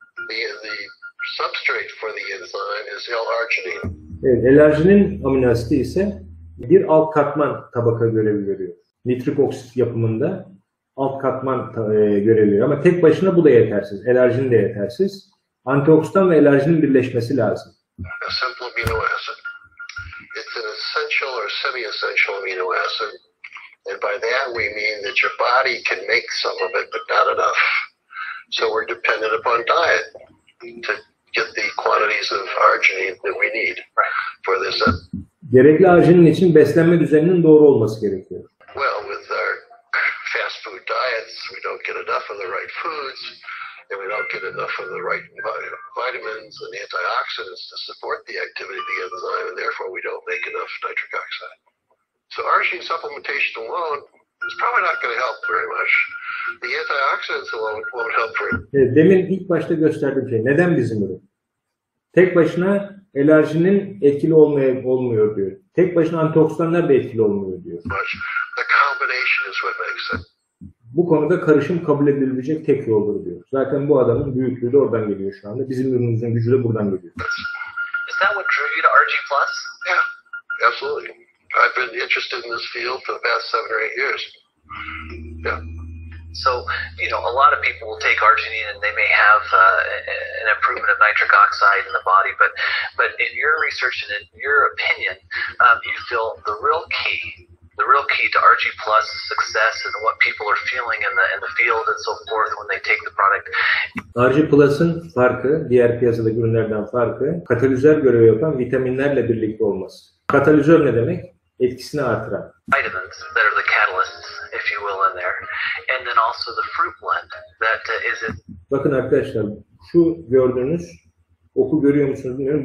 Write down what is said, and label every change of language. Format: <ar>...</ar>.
<en>The substrate for the enzyme is L-arginine.</en> <tr>Evet, L-arginin amino asidi ise bir alt katman tabaka görevi görüyor. Nitrik oksit yapımında alt katman görevi görüyor. Ama tek başına bu da yetersiz. L-arginin de yetersiz. Antioksidan ve L-arginin birleşmesi lazım.</tr> <en>A simple amino acid. It's an essential or semi-essential amino acid. And by that we mean that your body can make some of it, but not enough. So we're dependent upon diet to get the quantities of arginine that we need for this.</en> <tr>Gerekli arginin için beslenme düzeninin doğru olması gerekiyor.</tr> <en>Well, with our fast food diets, we don't get enough of the right foods, and we don't get enough of the right vitamins and antioxidants to support the activity of the enzyme, and therefore we don't make enough nitric oxide. So arginine supplementation alone is probably not going to help very much. The antioxidants alone won't help very much.</en> <tr>Demin ilk başta gösterdiğim şey, neden bizim ürün? Tek başına L-arginin etkili olmuyor diyor. Tek başına antioksidanlar da etkili olmuyor diyor.</tr> <en>The combination is what makes it.</en> <tr>Bu konuda karışım kabul edilebilecek tek yoldur diyor. Zaten bu adamın büyüklüğü de oradan geliyor şu anda. Bizim ürünümüzün gücü de buradan geliyor.</tr> <en>Is that what drew you to RG Plus? Yeah, absolutely. I've been interested in this field for the past 7 or 8 years. Yeah. So, you know, a lot of people will take arginine and they may have an improvement of nitric oxide in the body, but in your research and in your opinion, you feel the real key to RG Plus success and what people are feeling in the field and so forth when they take the product.</en> <tr>RG Plus'ın farkı, diğer piyasadaki ürünlerden farkı, katalizör görevi yapan vitaminlerle birlikte olması. Katalizör ne demek? Etkisini artıran.</tr> <en>Vitamins that are the catalysts, if you will, in there, and then also the fruit blend that is it.</en> <tr>Bakın arkadaşlar, şu gördüğünüz oku görüyor musunuz bilmiyorum.</tr>